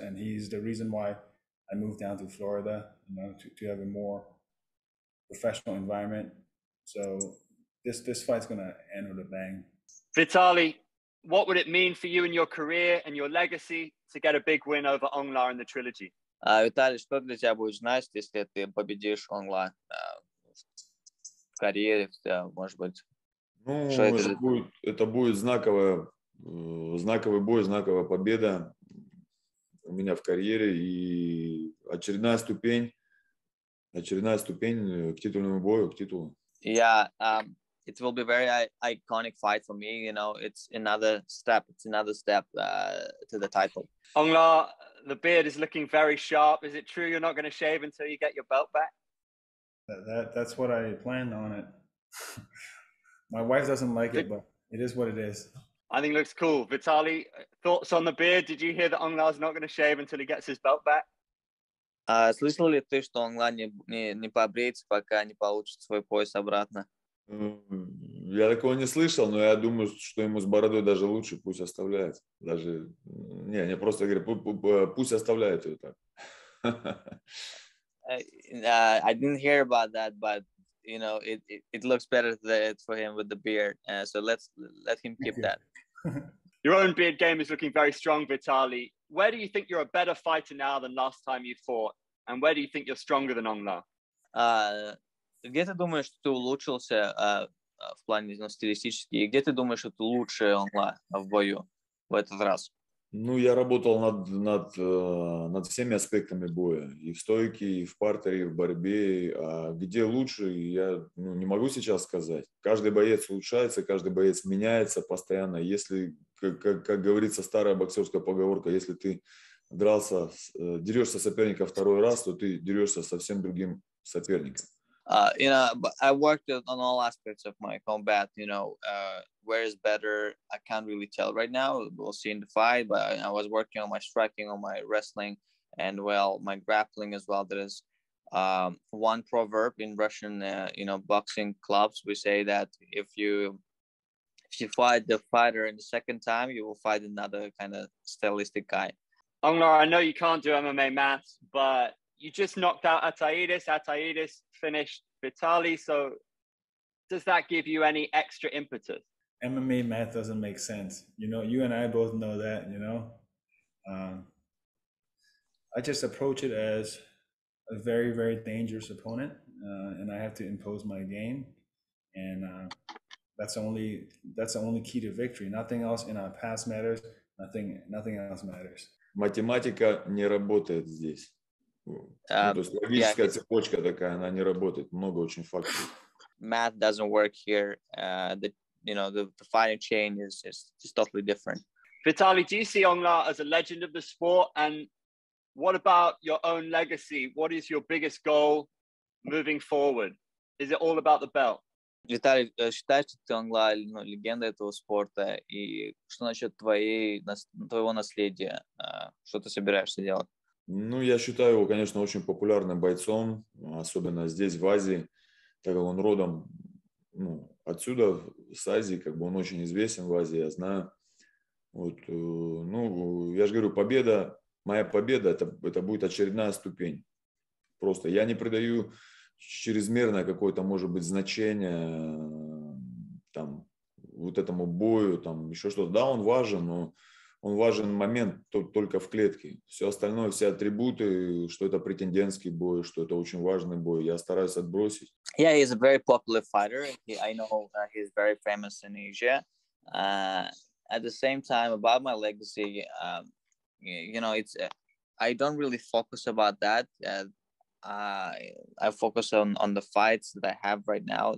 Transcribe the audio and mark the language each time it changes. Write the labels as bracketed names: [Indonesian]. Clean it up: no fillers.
[English] And he's the reason why I moved down to Florida, you know, to have a more professional environment. So this fight's going to end with a bang. Vitaly, what would it mean for you and your career and your legacy to get a big win over Aung La in the trilogy? [Russian] Vitaly, что для тебя будет значить, если ты победишь Aung La в карьере, может быть? Ну, это будет знаковый бой, знаковая победа у меня в карьере и очередная ступень к титульному бою, к титулу. [English] It will be very iconic fight for me. You know, it's another step. It's another step to the title. Aung La, the beard is looking very sharp. Is it true you're not going to shave until you get your belt back? That's what I planned on it. My wife doesn't like it, but it is what it is. I think it looks cool. Vitaly, thoughts on the beard? Did you hear that Aung La is not going to shave until he gets his belt back? [Russian] Слышал ли ты, что Aung La не побреется, пока не получит свой пояс обратно? Я такого не слышал, но я думаю, что ему с бородой даже лучше, пусть оставляет. Даже не просто говорю, пусть оставляет ее так. [English] I didn't hear about that, but you know, it looks better for him with the beard. So let him keep that. Your own beard game is looking very strong, Vitaly. Where do you think you're a better fighter now than last time you fought, and where do you think you're stronger than Aung La? [Russian] Где ты думаешь, что ты улучшился в плане, ну, стилистически? И где ты думаешь, что ты лучше Aung La в бою в этот раз? Ну, я работал над всеми аспектами боя. И в стойке, и в партере, и в борьбе. А где лучше, я не могу сейчас сказать. Каждый боец улучшается, каждый боец меняется постоянно. Если, как говорится, старая боксерская поговорка, если ты дерешься соперника второй раз, то ты дерешься совсем другим соперником. [English] You know, but I worked on all aspects of my combat, you know, where is better, I can't really tell right now, we'll see in the fight, but I was working on my striking, on my wrestling, and well, my grappling as well. There is one proverb in Russian, you know, boxing clubs, we say that if you fight the fighter in the second time, you will fight another kind of stylistic guy. Aung La, I know you can't do MMA maths, but you just knocked out Ataidis finished Vitaly. So does that give you any extra impetus? MMA math doesn't make sense. You know, you and I both know that, you know. I just approach it as a very, very dangerous opponent. And I have to impose my game. And that's the only key to victory. Nothing else in our past matters. Nothing else matters. [Russian] Математика не работает здесь. То есть логическая цепочка такая, она не работает. Много очень факторов. [English] Math doesn't work here. The fighting chain is just totally different. Vitaly, do you see Aung La as a legend of the sport? And what about your own legacy? What is your biggest goal moving forward? Is it all about the belt? [Russian] Vitaly, считаешь ты Aung La легендой этого спорта? И что насчет твоего наследия? Что ты собираешься делать? Ну, я считаю его, конечно, очень популярным бойцом, особенно здесь, в Азии, так как он родом отсюда, с Азии, как бы он очень известен в Азии, я знаю. Вот, я же говорю, моя победа, это будет очередная ступень. Просто я не придаю чрезмерное какое-то, может быть, значение там, вот этому бою, там еще что-то. Да, он важен, но... Он важен момент только в клетке. Все остальное, все атрибуты, что это претендентский бой, что это очень важный бой, я стараюсь отбросить. [English] Yeah, he's a very popular fighter. I know that he's very famous in Asia. At the same time, about my legacy, you know, it's I don't really focus about that. I focus on the fights that I have right now.